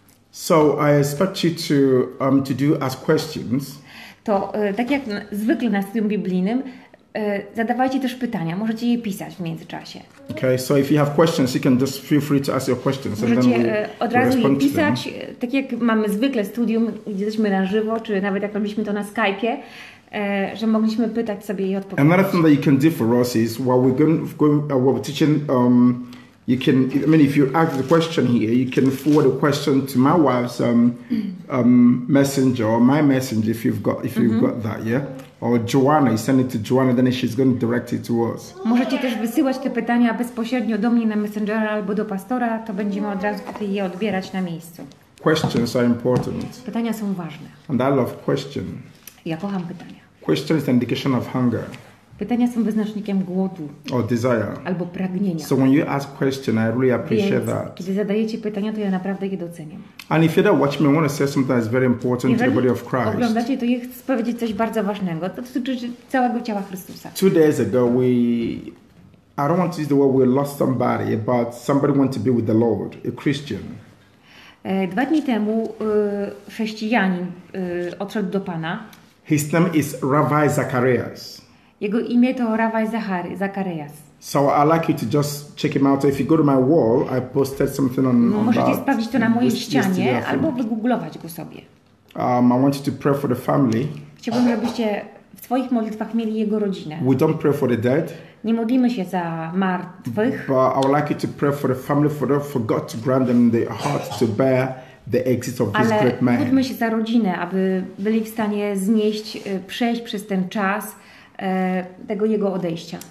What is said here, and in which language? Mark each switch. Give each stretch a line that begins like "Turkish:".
English: so I expect you to do ask questions.
Polish: To tak jak zwykle na studium biblijnym, zadawajcie też pytania, możecie je pisać w międzyczasie.
English: Okay, so if you have questions, you can just feel free to ask your questions.
Polish: Możecie od razu je pisać, tak jak mamy zwykle studium, gdzie jesteśmy na żywo, czy nawet jak robiliśmy to na Skype'ie, że mogliśmy pytać sobie i odpowiedzieć.
English: Another thing that you can do for us is while we're going, we're teaching, you can, I mean, if you ask the question here, you can forward a question to my wife's messenger or my messenger if you've got that, yeah. Or Joanna, you send it to Joanna, then she's going to direct it to us.
Polish: Możecie też wysyłać te pytania bezpośrednio do mnie na Messengera albo do pastora, to będziemy od razu je odbierać na miejscu.
English: Questions are important.
Polish: Pytania są ważne.
English: And I love questions.
Polish: Ja kocham pytania.
English: Question is an indication of hunger.
Polish: Pytania są wyznacznikiem głodu.
English: Or desire.
Polish: Albo pragnienia.
English: So when you ask question, I really appreciate that.
Polish: Kiedy zadajecie pytania, to ja naprawdę je doceniam.
English: And if you don't watch me, I want to say something that is very important to the body of Christ.
Polish: Jeżeli oglądacie, to ja chcę powiedzieć coś bardzo ważnego. To dotyczy całego ciała Chrystusa.
English: Two days ago, we I don't want to use the word we lost somebody, but somebody wants to be with the Lord, a Christian.
Polish: Dwa dni temu chrześcijanin odszedł do Pana.
English: His name is Rabbi Zacharias.
Polish: Jego imię to Rabbi Zacharias.
English: So I'd like you to just check him out. If you go to my wall, I posted something on that.
Polish: Możecie sprawdzić to na mojej ścianie albo wygooglować go sobie.
English: I want you to pray for the family.
Polish: Chciałbym, żebyście w swoich modlitwach mieli jego rodzinę.
English: We don't pray for the dead.
Polish: Nie modlimy się za martwych.
English: But I would like you to pray for the family, for God to grant them the heart to bear the exit of this great man.
Polish: Ale modlimy się za rodzinę, aby byli w stanie znieść, przejść przez ten czas tego jego odejścia.